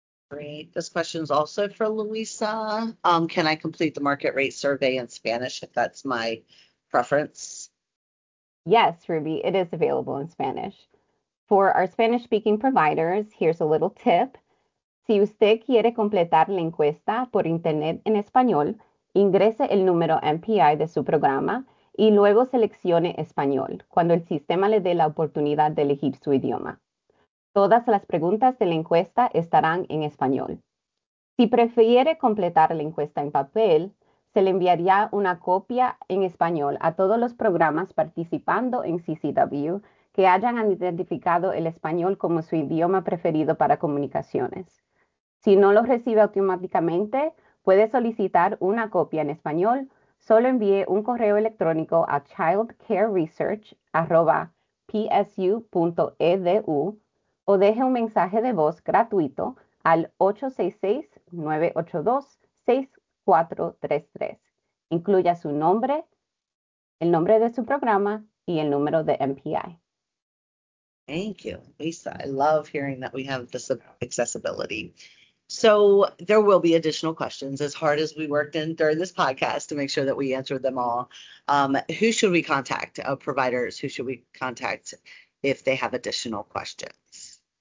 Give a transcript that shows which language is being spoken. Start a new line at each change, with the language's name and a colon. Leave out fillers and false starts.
English: Great. This question is also for Louisa. Can I complete the market rate survey in Spanish if that's my preference? Yes, Ruby, it is available in Spanish. For our Spanish-speaking providers, here's a little tip.
Spanish: Si usted quiere completar la encuesta por internet en español, ingrese el número MPI de su programa y luego seleccione español cuando el sistema le dé la oportunidad de elegir su idioma. Todas las preguntas de la encuesta estarán en español. Si prefiere completar la encuesta en papel, se le enviaría una copia en español a todos los programas participando en CCW que hayan identificado el español como su idioma preferido para comunicaciones. Si no lo recibe automáticamente, puede solicitar una copia en español. Solo envíe un correo electrónico a childcareresearch@psu.edu o deje un mensaje de voz gratuito al 866-982-6433. Incluya su nombre, el nombre de su programa y el número de MPI.
English: Thank you, Lisa. I love hearing that we have this accessibility. So there will be additional questions as hard as we worked in during this podcast to make sure that we answered them all. Who should we contact? Providers, who should we contact if they have additional questions?